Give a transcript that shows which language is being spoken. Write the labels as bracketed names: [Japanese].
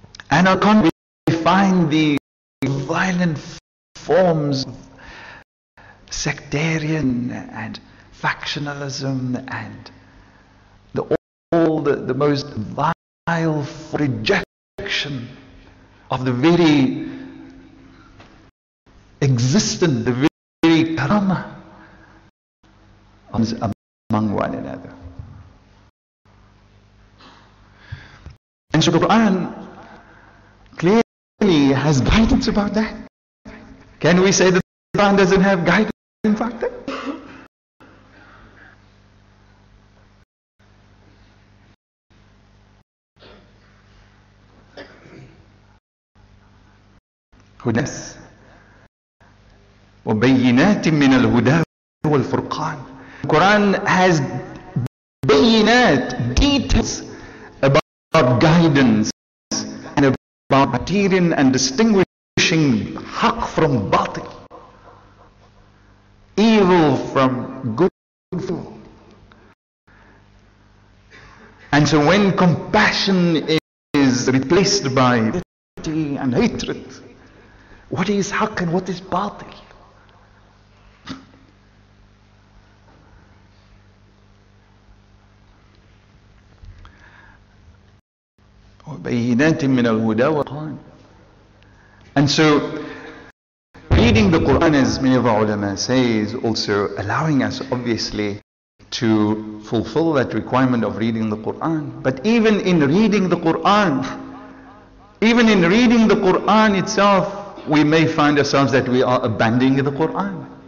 [English] And how can we find the violent forms of sectarian and factionalism and the most vile rejection of the very existent, the very karama among one another. And so the Quran clearly has guidance about that. Can we say that the Quran doesn't have guidance? In fact, goodness, [Arabic] وبينات من الهدى والفرقان. [English] The Quran has بينات, details about guidance and about criterion and distinguishing حق from باطل. Evil from good. And so when compassion is replaced by pity and hatred, what is haqq and what is batil? [Arabic] وبينات من الهدى والقرآن. [English] And so reading the Quran, as many of our ulama says, also allowing us obviously to fulfill that requirement of reading the Quran. But even in reading the Quran, even in reading the Quran itself, we may find ourselves that we are abandoning the Quran.